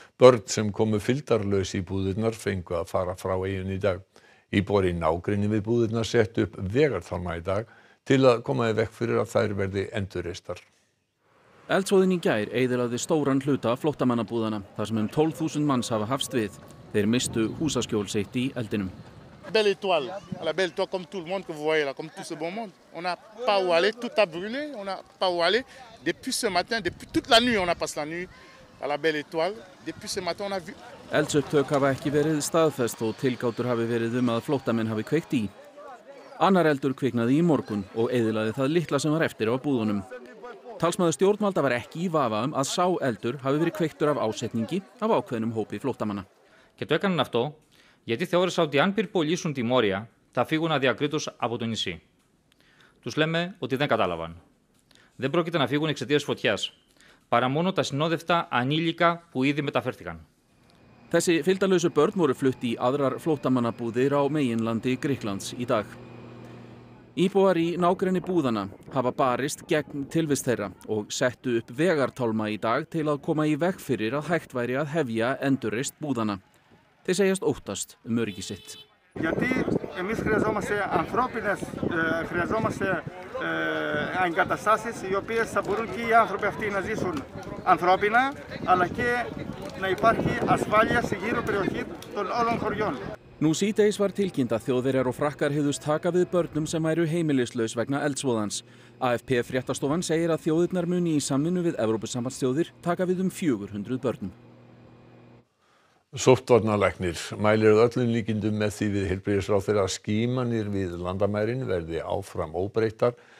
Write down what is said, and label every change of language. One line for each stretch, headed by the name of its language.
Icelandic: Börn sem komu fylgdarlaus í búðirnar fengu að fara frá eyjun í dag. Íbúar í nágrenni við búðirnar settu upp vegartálma í dag til að koma í veg fyrir að þær verði endurreistar. Eldsvoðin í gær eyðilagði stóran hluta flóttamannabúðana þar sem 12,000 manns hafa hafst við. Þeir mistu húsaskjól sitt í eldinum.
French: Belle étoile, la belle étoile comme tout le monde que vous voyez là, comme tout ce bon monde. On n'a pas où aller, tout a brûlé, on n'a pas où aller. Depuis ce matin, depuis toute la nuit, on a passé la nuit à la belle étoile. Depuis ce matin, on a vu.
Icelandic: Eldsupptök hafa ekki verið staðfest og tilgátur hafi verið að flóttamenn hafi kveikt í. Annar eldur kviknaði í morgun og eyðilagði það litla sem var eftir á búðunum. Talsmaður stjórnvalda var ekki í vafa að sá eldur hafi verið kveiktur af ásetningi af ákveðnum hópi flóttamanna. Getu ekki annað aftur?
Greek: Γιατί θεώρησα ότι αν πυρπολίσουν τη Μόρια, θα φύγουν αδιακρίτως από το νησί. Τους λέμε ότι δεν κατάλαβαν. Δεν πρόκειται να φύγουν εξαιτίας φωτιάς, παρά μόνο τα συνόδευτα ανήλικα που ήδη μεταφέρθηκαν.
Icelandic: Þessi fylgdarlausu börn voru flutt í aðrar flóttamannabúðir á meginlandi Grikklands í dag. Íbúar í nágrenni búðana hafa barist gegn tilvist þeirra og settu upp vegartálma í dag til að koma í veg fyrir að hægt væri að hefja endurreist búðana. Þeir segjast óttast öryggi sitt.
Greek: Γιατί εμείς χρειαζόμαστε ανθρώπινες, χρειαζόμαστε εγκαταστάσεις οι οποίες θα μπορούν και οι άνθρωποι αυτοί να ζήσουν ανθρώπινα, αλλά και να υπάρχει ασφάλεια σε γύρω περιοχή των όλων χωριών.
Icelandic: Nú síðdegis var tilkynnt að Þjóðverjar og Frakkar hefðust taka við börnum sem væru heimilislaus vegna eldsvoðans. AFP fréttastofan segir að þjóðirnar muni í samvinnu við Evrópusambandsþjóðir taka við 400 börnum. Sóttvarnalæknir mælir öllum líkindum með því við heilbrigðisráðherra skímanir við landamærin verði áfram óbreyttar.